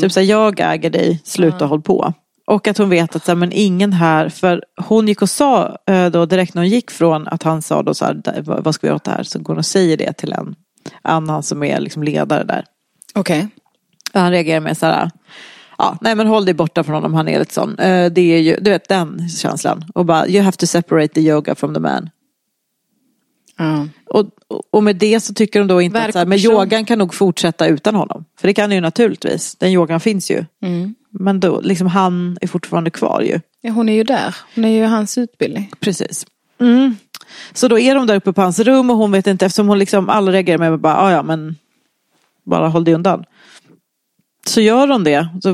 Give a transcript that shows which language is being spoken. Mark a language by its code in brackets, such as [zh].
[sv] typ så här, jag äger dig, sluta håll på. Och att hon vet att så här, men ingen här, för hon gick och sa då direkt när hon gick från att han sa då så här, vad ska vi göra åt det här, så går hon och säger det till en annan som är liksom ledare där. Okej. Okay. Han reagerar med så här, ja, nej men håll dig borta från honom, han är lite sån. Det är ju, du vet, den känslan. Och bara, [en] you have to separate the yoga from the man. [sv] Och med det så tycker de då inte att så här, men yogan kan nog fortsätta utan honom. För det kan ju naturligtvis, den yogan finns ju. Men då, liksom han är fortfarande kvar ju. Ja, hon är ju där. Hon är ju hans utbildning. Precis. Så då är de där uppe på hans rum och hon vet inte, eftersom hon liksom aldrig reagerar med bara, ja, men bara håll dig undan. Så gör hon det.